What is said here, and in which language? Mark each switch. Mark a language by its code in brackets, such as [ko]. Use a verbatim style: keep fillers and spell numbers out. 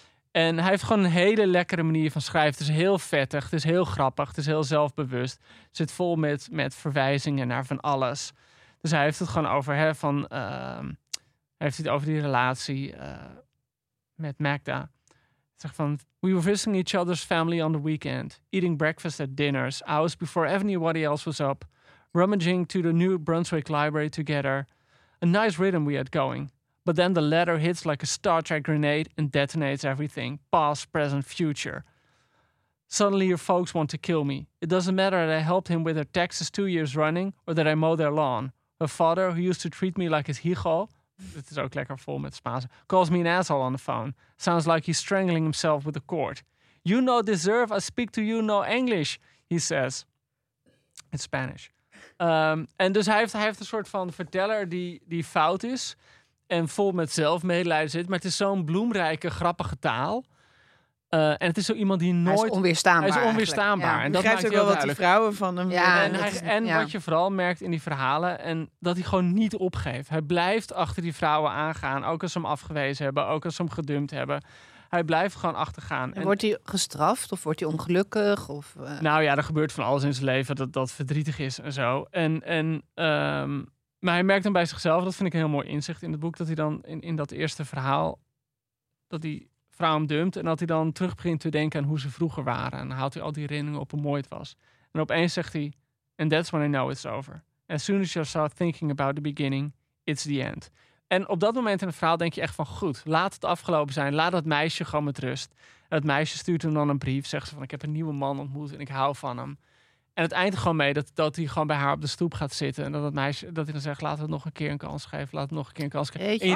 [nl] En hij heeft gewoon een hele lekkere manier van schrijven. Het is heel vettig, het is heel grappig, het is heel zelfbewust. Het zit vol met, met verwijzingen naar van alles. Dus hij heeft het gewoon over, hè, van... ehm, hij heeft het over die relatie eh, met Magda. Zeg van, [en] we were visiting each other's family on the weekend, eating breakfast at dinners, hours before anybody else was up, rummaging to the New Brunswick library together, A nice rhythm we had going. But then the ladder hits like a Star Trek grenade and detonates everything. Past, present, future. Suddenly your folks want to kill me. It doesn't matter that I helped him with their taxes two years running or that I mow their lawn. Her father, who used to treat me like his hijo, [nl] dit is ook lekker vol met Spaans, [en] calls me an asshole on the phone. Sounds like he's strangling himself with a cord. You no deserve, I speak to you no English, he says. In Spanish. [nl] Um, en dus hij heeft, hij heeft een soort van verteller die, die fout is en vol met zelfmedelijden zit. Maar het is zo'n bloemrijke, grappige taal. Uh, en het is zo iemand die nooit... Hij is onweerstaanbaar. Hij is onweerstaanbaar. Ja. En dat maakt ook wel wat die vrouwen van hem... Ja, en hij, is, en ja. wat je vooral merkt in die verhalen... en dat hij gewoon niet opgeeft. Hij blijft achter die vrouwen aangaan. Ook als ze hem afgewezen hebben. Ook als ze hem gedumpt hebben. Hij blijft gewoon achtergaan. En, en wordt hij gestraft? Of wordt hij ongelukkig? Of, uh... Nou ja, er gebeurt van alles in zijn leven dat dat verdrietig is en zo. En, en, um, maar hij merkt dan bij zichzelf... dat vind ik een heel mooi inzicht in het boek... dat hij dan in, in dat eerste verhaal... dat hij... vrouw hem dumpt en dat hij dan terug begint te denken aan hoe ze vroeger waren. En dan haalt hij al die herinneringen op hoe mooi het was. En opeens zegt hij, [en] and that's when I know it's over. As soon as you start thinking about the beginning, it's the end. [nl] En op dat moment in het verhaal denk je echt van, goed, laat het afgelopen zijn. Laat dat meisje gewoon met rust. En het meisje stuurt hem dan een brief. Zegt ze van, ik heb een nieuwe man ontmoet en ik hou van hem. En het eindigt gewoon mee dat, dat hij gewoon bij haar op de stoep gaat zitten. En dat, dat meisje, dat hij dan zegt, laat het nog een keer een kans geven. Laat het nog een keer een kans geven. En je